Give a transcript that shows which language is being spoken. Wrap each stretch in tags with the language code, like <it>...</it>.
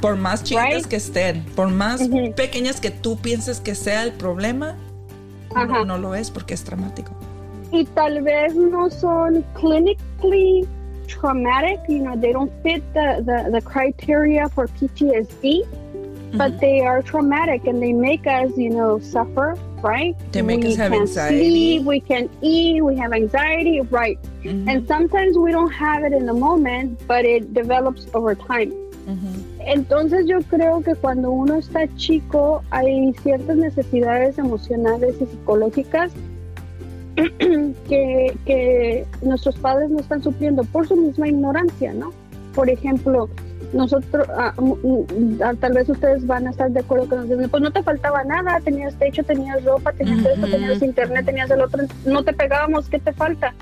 <es>Por más chiquitas que estén, por más pequeñas que tú pienses que sea el problema, no lo es porque es traumático. Y tal vez no son</es> <en>clinically traumatic, you know, they don't fit the criteria for PTSD, but they are traumatic and they make us, you know, suffer, right? They make us have anxiety. We can't sleep, we can't eat, we have anxiety, right? And sometimes we don't have it in the moment, but it develops over time.</en> <es>Entonces yo creo que cuando uno está chico hay ciertas necesidades emocionales y psicológicas que nuestros padres no están supliendo por su misma ignorancia, ¿no? Por ejemplo, nosotros, tal vez ustedes van a estar de acuerdo con nosotros, pues no te faltaba nada, tenías techo, tenías ropa, tenías esto, tenías internet, tenías el otro, no te pegábamos, ¿qué te falta?</es>